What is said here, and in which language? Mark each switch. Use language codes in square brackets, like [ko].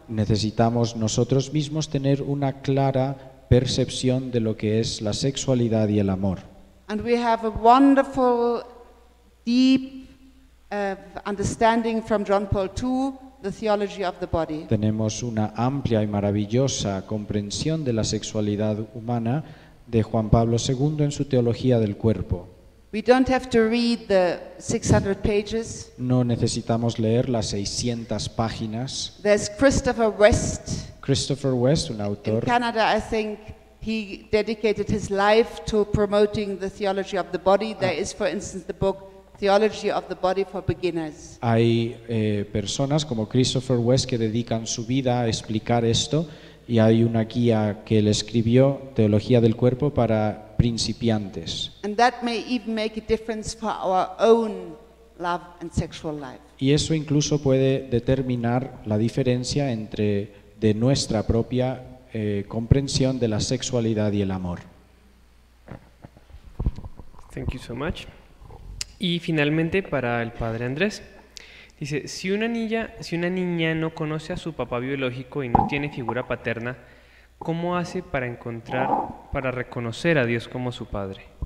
[es] Necesitamos nosotros mismos tener una clara percepción de lo que es la sexualidad y el amor. [en] And we have a wonderful, deep understanding from John Paul II, the theology of the body. [es] Tenemos una amplia y maravillosa comprensión de la sexualidad humana de Juan Pablo II en su teología del cuerpo. [en] We don't have to read the 600 pages. [es] No necesitamos leer las 600 páginas. [en] There's Christopher West. [es] Christopher West, un autor. [en] In Canada, I think he dedicated his life to promoting the theology of the body. There is, for instance, the book Theology of the Body for Beginners. [es] Hay personas como Christopher West que dedican su vida a explicar esto, y hay una guía que él escribió, Teología del Cuerpo para principiantes. [en] And that may even make a difference for our own love and sexual life. [es] Y eso incluso puede determinar la diferencia entre de nuestra propia comprensión de la sexualidad y el amor. [en] Thank you so much. [es] Y finalmente para el padre Andrés. Dice, si una niña no conoce a su papá biológico y no tiene figura paterna, ¿cómo hace para reconocer a Dios como su padre?